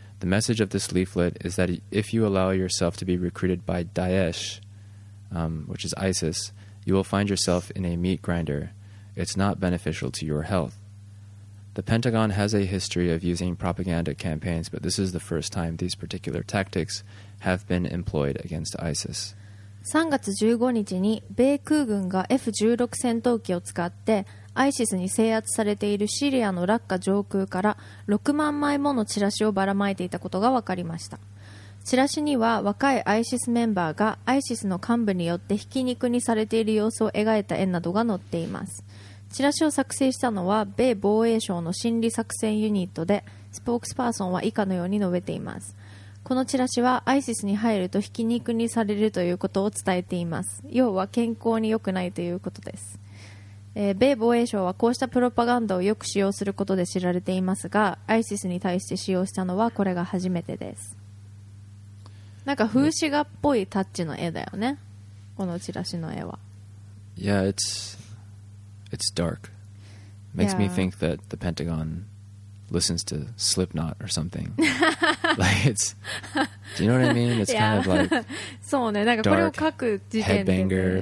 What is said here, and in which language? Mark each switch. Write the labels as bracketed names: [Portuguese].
[English] The message of this leaflet is that if you allow yourself to be recruited by Daesh, which is ISIS, you will find yourself in a meat grinder. It's not beneficial to your health. The Pentagon has a history of using propaganda campaigns, but this is the first time these particular tactics have been employed against ISIS. [Japanese] 3月15日に米空軍が F-16 戦闘機を使って ISIS に制圧されているシリアのラッカ上空から6万枚ものチラシをばらまいていたことが分かりました。チラシには若い ISIS メンバーが ISIS の幹部によってひき肉にされている様子を描いた絵などが載っています。チラシを作成したのは米防衛省の心理作戦ユニットで、スポークスパーソンは以下のように述べています。このチラシは ISIS に入るとひき肉にされるということを伝えています。要は健康に良くないということです。米防衛省はこうしたプロパガンダをよく使用することで知られていますが、 ISIS に対して使用したのはこれが初めてです。なんか風刺画っぽいタッチの絵だよね、このチラシの絵は。 [English] Yeah, it's dark. Makes me think that the Pentagon listens to Slipknot or something. Like it's, do you know what I mean? It's kind of like, [Japanese] そうね、なんかこれを書く時点で、